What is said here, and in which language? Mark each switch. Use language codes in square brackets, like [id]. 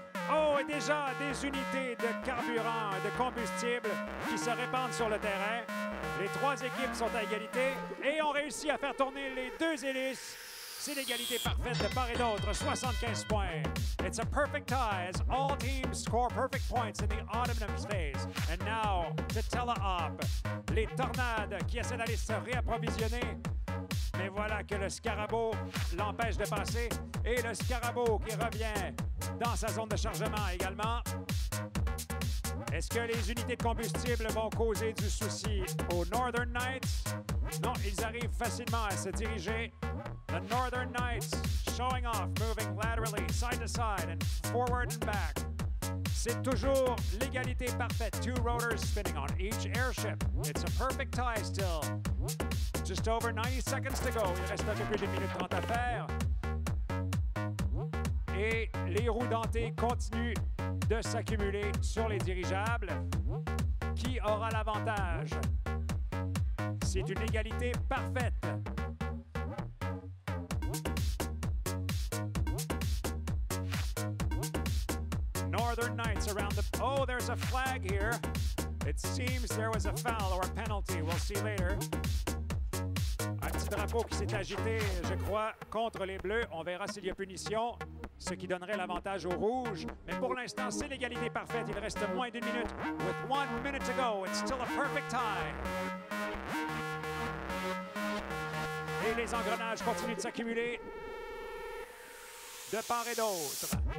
[fr] Oh, et déjà des unités de carburant et de combustible qui se répandent sur le terrain. Les trois équipes sont à égalité et ont réussi à faire tourner les deux hélices. C'est l'égalité parfaite de part et d'autre, 75 points. [en] It's a perfect tie as all teams score perfect points in the autumnum phase. And now, the tele-op. [fr] Les tornades qui essaient d'aller se réapprovisionner. Mais voilà que le scarabot l'empêche de passer. Et le scarabot qui revient dans sa zone de chargement également. Est-ce que les unités de combustible vont causer du souci aux Northern Knights? Non, ils arrivent facilement à se diriger. [en] The Northern Knights showing off, moving laterally, side to side, and forward and back. [fr] C'est toujours l'égalité parfaite. [en] Two rotors spinning on each airship. It's a perfect tie still. Just over 90 seconds to go. [fr] Il reste un peu plus d'une minute trente à faire. Et les roues dentées continuent de s'accumuler sur les dirigeables. Qui aura l'avantage? C'est une égalité parfaite. [en] Northern Knights around the... Oh, there's a flag here. It seems there was a foul or a penalty. We'll see later. [fr] Un petit drapeau qui s'est agité, je crois, contre les bleus. On verra s'il y a punition, ce qui donnerait l'avantage aux rouges. Mais pour l'instant, c'est l'égalité parfaite. Il reste moins d'une minute. [en] With 1 minute to go, it's still a perfect tie. [fr] Et les engrenages continuent de s'accumuler de part et d'autre.